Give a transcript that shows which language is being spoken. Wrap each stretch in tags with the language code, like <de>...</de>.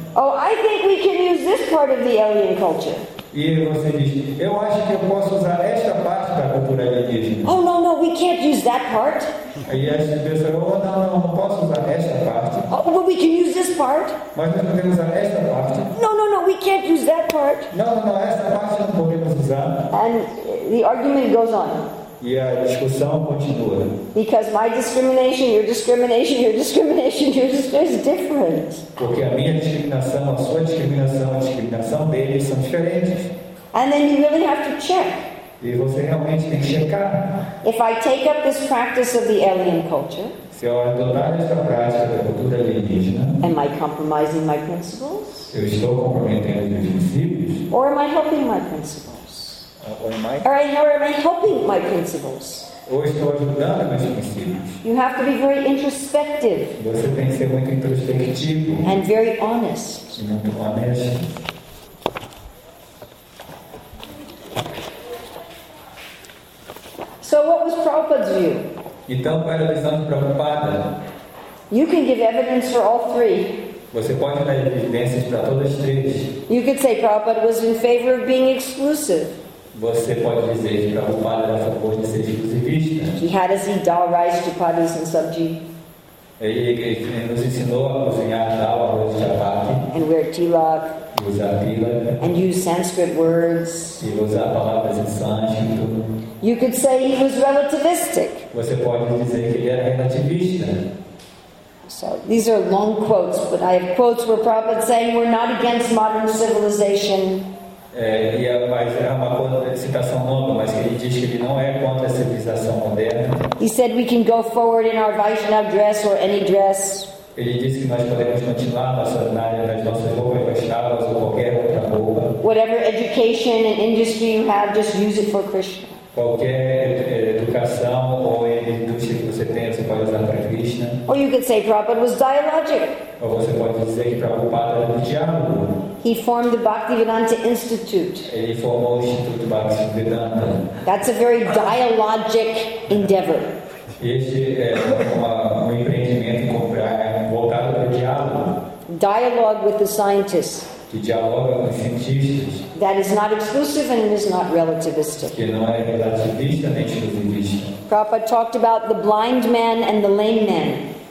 <en>Oh, I think we can use this part of the alien culture.</en> <pt>E você diz, eu acho que eu posso usar esta parte da cultura alienígena.</pt> <en>Oh, no, we can't use that part.</en> <pt>E as pessoas, oh, não posso usar esta parte.</pt> <en>Oh, but we can use this part.</en> <pt>Mas nós podemos usar esta parte.</pt> <en>No, we can't use that part.</en> <pt>Não, esta parte não podemos usar.</pt> <en>And the argument goes on.</en> <pt>E a discussão continua.</pt> <en>Because my discrimination, your discrimination, your discrimination, your discrimination is different.</en> <pt>Porque a minha discriminação, a sua discriminação, a discriminação deles são diferentes.</pt> <en>And then you really have to check.</en> <pt>E você realmente tem que checar.</pt> <en>If I take up this practice of the alien culture,</en> <pt>se eu adotar esta prática da cultura alienígena,</pt> <en>am I compromising my principles?</en> <pt>Eu estou comprometendo meus princípios?</pt> <en>Or am I helping my principles? Or am I helping my principles?</en> <pt>Ou estou ajudando meus princípios?</pt> <en>You have to be very introspective.</en> <pt>Você tem que ser muito introspectivo.</pt> <en>And very honest.</en> <pt>E muito honesto.</pt> <en>So what was Prabhupada's view?</en> <pt>Então, qual era a visão de Prabhupada?</pt> <en>You can give evidence for all three.</en> <pt>Você pode dar evidências para todas as três.</pt> <en>You could say Prabhupada was in favor of being exclusive.</en> <pt>Você pode dizer que Prabhupada era a favor de ser exclusivista.</pt> <en>He had us eat dal, rice, chapatis and sabji.</en> <pt>Ele nos ensinou a cozinhar dal, arroz e chapati.</pt> <en>And wear tilak.</en> <pt>Usar tilak.</pt> <en>And use Sanskrit words.</en> <pt>E usar palavras em sânscrito.</pt> <en>You could say he was relativistic.</en> <pt>Você pode dizer que ele era relativista.</pt> <en>So these are long quotes, but I have quotes where Prabhupada saying we're not against modern civilization.</en> <pt>Mas é uma citação longa, mas ele diz que ele não é contra a civilização moderna.</pt> <en>He said we can go forward in our Vaishnava dress or any dress.</en> <pt>Ele disse que nós podemos continuar nas nossas roupas Vaishnavas ou qualquer outra roupa.</pt> <en>Whatever education and industry you have, just use it for Krishna.</en> <pt>Qualquer educação ou indústria que você tenha, você pode usar para Krishna.</pt> <en>Or you could say Prabhupada was dialogic.</en> <pt>Ou você pode dizer que Prabhupada era do diálogo.</pt> <en>He formed the Bhaktivedanta Institute.</en> <pt>Ele formou o Instituto Bhaktivedanta.</pt> <en>That's a very dialogic endeavor.</en> <pt>Esse é um empreendimento voltado para o diálogo.</pt> <en>Dialogue with the scientists.</en> <pt>Que dialoga com os cientistas.</pt> <en>That is not exclusive and is not relativistic.</en> <pt>Que não é relativista nem exclusivista.</pt> <en>Prabhupada talked about the blind man and the lame man.</en>